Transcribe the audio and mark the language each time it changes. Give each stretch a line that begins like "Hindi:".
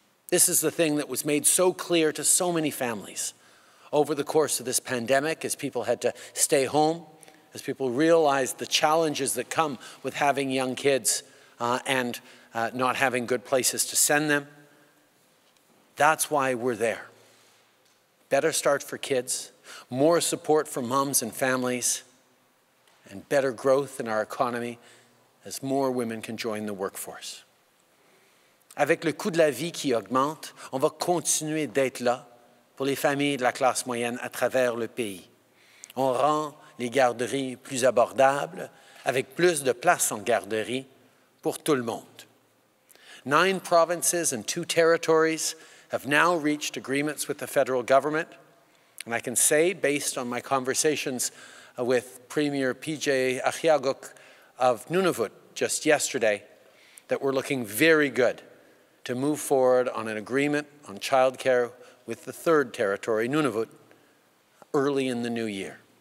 English: This is the thing that was made so clear to so many families over the course of this pandemic, as people had to stay home, as people realized the challenges that come with having young kids not having good places to send them. That's why we're there. Better start for kids, more support for moms and families, and better growth in our economy as more women can join the workforce.
French: Avec le coût de la vie qui augmente, on va continuer d'être là pour les familles de la classe moyenne à travers le pays. On rend les garderies plus abordables, avec plus de places en garderie pour tout le monde.
English: 9 provinces and 2 territories have now reached agreements with the federal government. And I can say, based on my conversations with Premier PJ Ahiagok of Nunavut just yesterday, that we're looking very good to move forward on an agreement on childcare with the third territory, Nunavut, early in the new year.